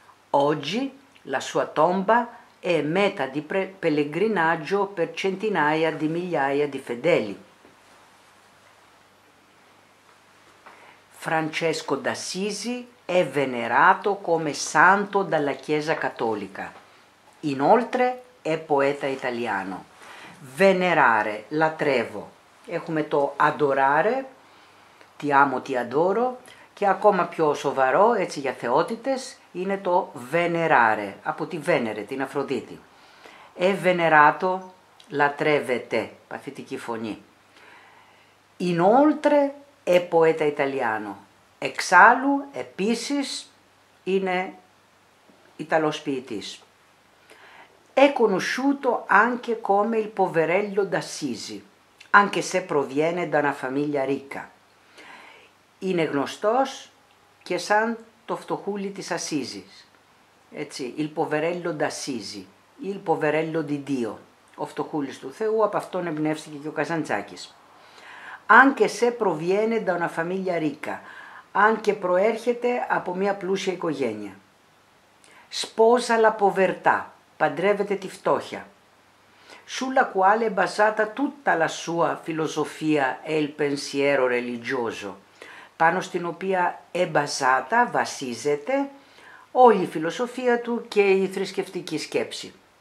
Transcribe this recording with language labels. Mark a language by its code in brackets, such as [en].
[it] Oggi la sua tomba è meta di pellegrinaggio per centinaia di migliaia di fedeli. Francesco d'Assisi è venerato come santo dalla Chiesa Cattolica. Inoltre è poeta italiano. Venerare, latrevo. [el] Έχουμε το [it] adorare, ti amo, ti adoro, [el] και ακόμα πιο σοβαρό, έτσι για θεότητες, είναι το venerare, από τη Venere, την Αφροδίτη. [it] È venerato, latrevete, [el] παθητική φωνή. [it] Inoltre è poeta italiano. [el] Εξάλλου, επίσης, είναι Ιταλός ποιητής. [it] È conosciuto anche come il poverello d'Assisi, anche se proviene da una famiglia ricca. [el] Είναι γνωστός και σαν το φτωχούλι της Ασίζης. Έτσι, [it] il poverello d'Assisi, il poverello di Dio, [el] ο φτωχούλης του Θεού, από αυτόν εμπνεύστηκε και ο Καζαντζάκης. [it] Anche se proviene da una famiglia ricca, [el] αν και προέρχεται από μια πλούσια οικογένεια. [it] Sposa la povertà, [el] παντρεύεται τη φτώχεια. [it] Sulla quale è basata tutta la sua filosofia e il pensiero religioso, [el] πάνω στην οποία [it] è basata, [el] βασίζεται, όλη η φιλοσοφία του και η θρησκευτική σκέψη.